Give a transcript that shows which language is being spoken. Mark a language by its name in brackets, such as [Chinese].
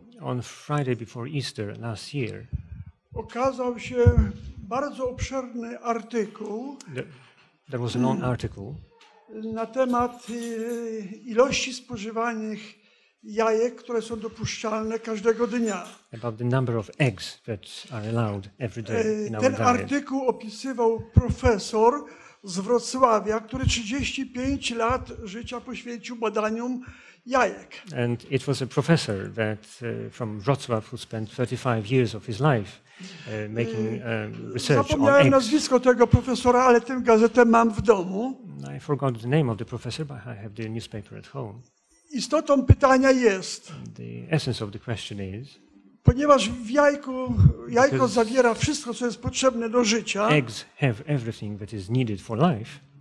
[English] On Friday before Easter last year. [Polish] Okazał się bardzo obszerny artykuł. [English] There was a long article. [Polish] Na temat ilości spożywanych jajek, które są dopuszczalne każdego dnia. [English] About the number of eggs that are allowed every day in our diet. [Polish] Ten artykuł opisywał profesor z Wrocławia, który 35 lat życia poświęcił badaniom jajek. [English] And it was a professor that from Wrocław who spent 35 years of his life making research on eggs. [Polish] Zapomniałem nazwisko tego profesora, ale tę gazetę mam w domu. [English] I forgot the name of the professor, but I have the newspaper at home. [Polish] Istotą pytania jest. [English] The essence of the question is. [Polish] Ponieważ w jajko zawiera wszystko, co jest potrzebne do życia. [English] Eggs have everything that is needed for life.